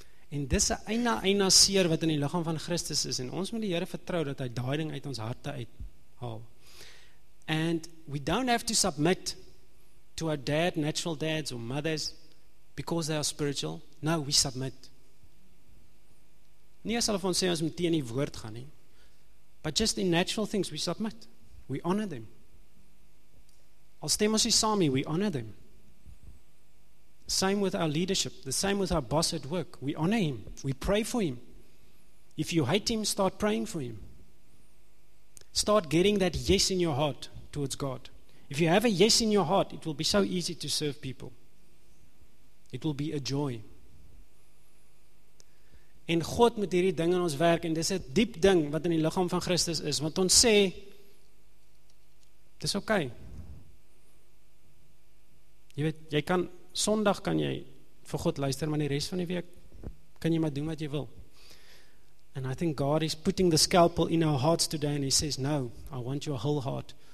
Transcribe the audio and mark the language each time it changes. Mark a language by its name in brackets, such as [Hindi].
[Afrikaans] En dis is eina seer wat in die liggaam van Christus is en ons moet die Here vertrou dat hy daai ding uit ons harte uithaal. [English] And we don't have to submit to our dad, natural dads or mothers because they are spiritual. No, we submit. [Afrikaans] Nie as hulle van sê ons moet teen die woord gaan nie. [English] But just in natural things we submit. We honor them. [Afrikaans] Al stem ons nie saam nie, [English] we honor them. Same with our leadership, the same with our boss at work. We honor him, we pray for him. If you hate him, start praying for him. Start getting that yes in your heart towards God. If you have a yes in your heart, it will be so easy to serve people. It will be a joy. [Afrikaans] En God moet hierdie ding in ons werk, en dis 'n diep ding wat in die liggaam van Christus is, want ons sê, dis okay. Jy weet, jy kan, Sondag kan jy vir God luister, maar die rest van die week kan jy maar doen wat jy wil. [English] And I think God is putting the scalpel in our hearts today and he says, no, I want your whole heart.